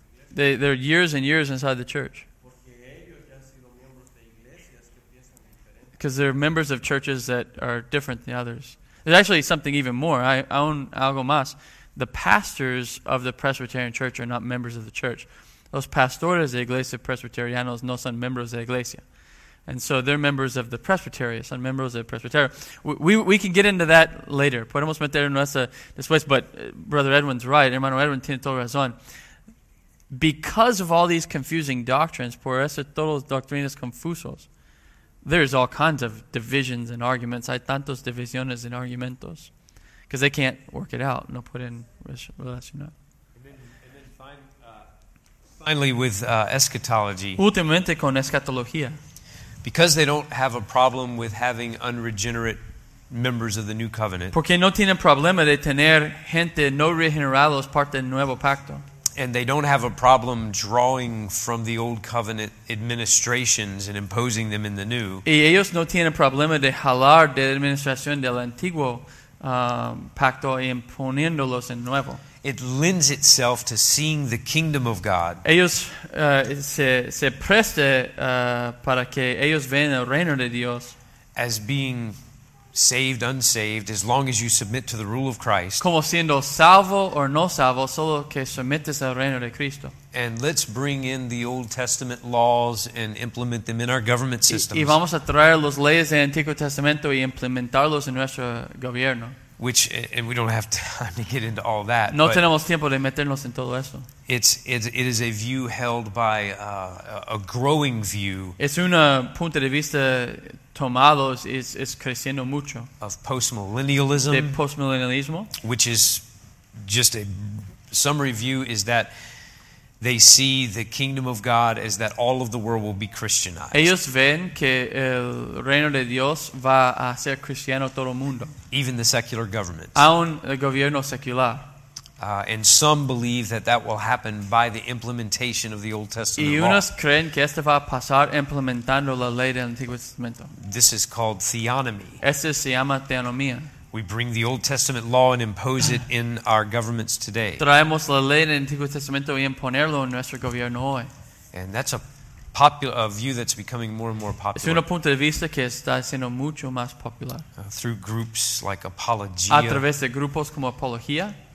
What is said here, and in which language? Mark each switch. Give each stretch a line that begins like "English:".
English: They're years and years inside the church. Because they're members of churches that are different than the others. There's actually something even more. I own
Spanish: algo más.
English: The pastors of the Presbyterian church are not members of the church.
Spanish: Los pastores de iglesia presbiterianos no son miembros de iglesia.
English: And so they're members of the presbytery,
Spanish: son miembros del presbiterio.
English: We can get into that later.
Spanish: Podemos meter en nuestra después,
English: but Brother Edwin's right.
Spanish: Hermano Edwin tiene toda razón.
English: Because of all these confusing doctrines,
Spanish: por eso todos doctrinas confusos,
English: there's all kinds of divisions and arguments.
Spanish: Hay tantos divisiones en argumentos.
English: Because they can't work it out.
Spanish: No pueden relacionar.
English: Finally, with eschatology.
Spanish: Últimamente con escatología.
English: Because they don't have a problem with having unregenerate members of the new covenant.
Spanish: Porque no tienen problema de tener gente no regenerados parte del nuevo pacto.
English: And they don't have a problem drawing from the old covenant administrations and imposing them in the new.
Spanish: Y ellos no tienen problema de jalar de la administración del antiguo pacto y imponiéndolos en nuevo.
English: It lends itself to seeing the kingdom of God.
Spanish: Ellos se presta para que ellos vean el reino de Dios.
English: As being saved, unsaved, as long as you submit to the rule of Christ.
Spanish: Como siendo salvo o no salvo, solo que sometes al reino de Cristo.
English: And let's bring in the Old Testament laws and implement them in our government systems.
Spanish: Y vamos a traer las leyes del Antiguo Testamento y implementarlos en nuestro gobierno.
English: Which, and we don't have time to get into all that.
Spanish: No tenemos tiempo de meternos en todo eso.
English: It is a view held by a growing view.
Spanish: Es una punto de vista tomado, es creciendo mucho.
English: Of postmillennialism.
Spanish: De postmillennialismo.
English: Which is just a summary view is that they see the kingdom of God as that all of the world will be Christianized.
Spanish: Ellos ven que el reino de Dios va a ser cristiano todo el mundo.
English: Even the secular government.
Spanish: Aún el gobierno secular.
English: And some believe that that will happen by the implementation of the Old Testament law.
Spanish: Y unos creen que esto va a pasar implementando la ley del Antiguo Testamento.
English: This is called theonomy.
Spanish: Esto se llama teonomía.
English: We bring the Old Testament law and impose it in our governments today.
Spanish: Traemos la ley del Antiguo Testamento y imponerlo en nuestro gobierno hoy.
English: And that's a view that's becoming more and more popular.
Spanish: Es un punto de vista que está siendo mucho más popular.
English: Through groups like Apologia.
Spanish: A través de grupos como Apologia.